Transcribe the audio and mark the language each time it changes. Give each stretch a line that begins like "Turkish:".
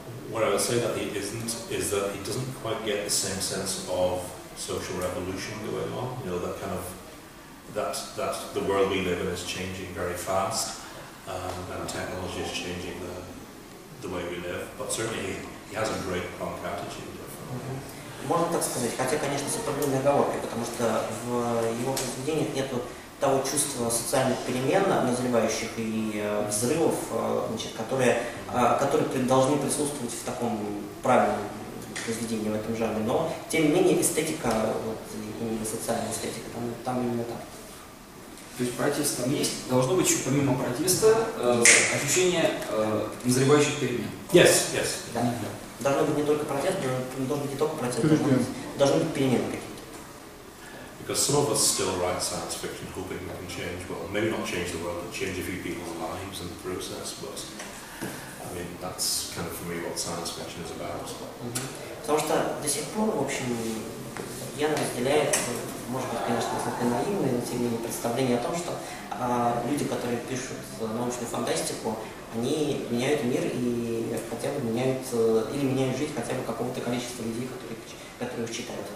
English: What I would say that he isn't is that he doesn't quite get the same sense of social revolution going on. You know, that kind of that the world we live in is changing very fast, and technology is changing the way we live. But certainly, he has a great punk attitude.
Russian: Можно так сказать, хотя, конечно, с определенной оговоркой, потому что в его произведениях нету того чувства социальных перемен, назревающих и взрывов, значит, которые должны присутствовать в таком правильном произведении в этом жанре. Но, тем не менее, эстетика, вот, именно социальная эстетика, там именно так. То есть протест там есть? Должно быть еще помимо протеста ощущение назревающих перемен?
English: Yes, yes.
Russian: Да. Должно быть не только протест, должен быть не только протест, должны быть перемены какие-то.
English: Because some of us still write science fiction hoping we can change, well, maybe not change the world, but change a few people's lives in the process, but, I mean, that's kind of for me what science fiction is about.
Russian: Потому что до сих пор, в общем, я разделяю, может быть, конечно, несколько наивное, но тем не менее представление о том, что люди, которые пишут научную фантастику, они меняют мир и хотя бы меняют, или меняют жизнь хотя бы какого-то количества людей, которые их читают.